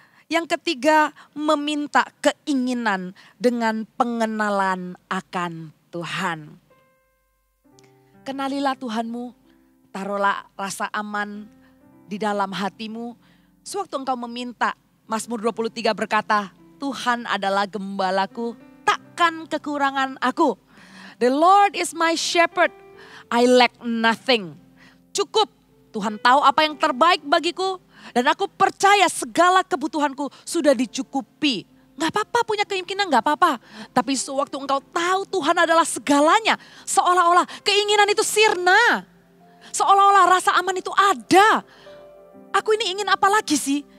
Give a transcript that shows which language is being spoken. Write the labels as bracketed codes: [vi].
[id] Yang ketiga, meminta keinginan dengan pengenalan akan Tuhan. Kenalilah Tuhanmu, taruhlah rasa aman di dalam hatimu. Sewaktu engkau meminta, Mazmur 23 berkata, Tuhan adalah gembalaku, takkan kekurangan aku. [en] The Lord is my shepherd, I lack nothing. [id] Cukup, Tuhan tahu apa yang terbaik bagiku. Dan aku percaya segala kebutuhanku sudah dicukupi. Gak apa-apa punya keinginan, gak apa-apa. Tapi sewaktu engkau tahu Tuhan adalah segalanya, seolah-olah keinginan itu sirna. Seolah-olah rasa aman itu ada. Aku ini ingin apa lagi sih?